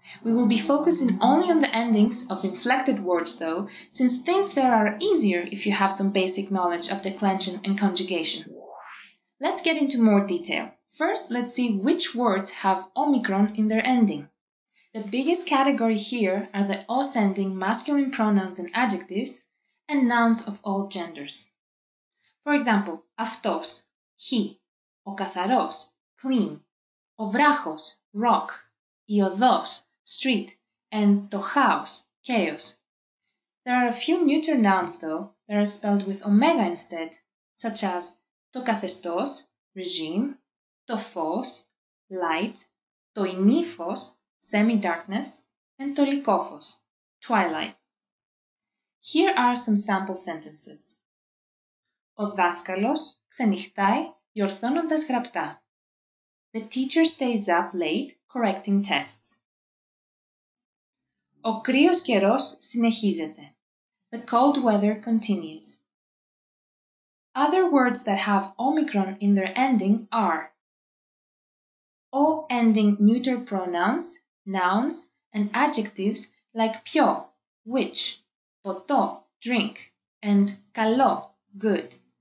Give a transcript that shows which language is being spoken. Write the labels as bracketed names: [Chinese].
[English] We will be focusing only on the endings of inflected words though, since things there are easier if you have some basic knowledge of declension and conjugation. Let's get into more detail. First, let's see which words have omicron in their ending. The biggest category here are the O ending masculine pronouns and adjectives, and nouns of all genders. For example, αυτός, he, ο καθαρός, clean, ο βράχος, rock, η οδός, street, and το χάος, chaos. There are a few neuter nouns, though, that are spelled with omega instead, such as το καθεστώς, regime, το φως, light, το ημίφος, semi-darkness, and το λυκόφος, twilight. Here are some sample sentences. [Greek] Ο δάσκαλος ξενυχτάει διορθώνοντας γραπτά. [English] The teacher stays up late correcting tests. [Greek] Ο κρύος καιρός συνεχίζεται. [English] The cold weather continues. Other words that have omicron in their ending are O ending neuter pronouns, nouns, and adjectives like πιο, which, ποτό, drink, and καλό, good.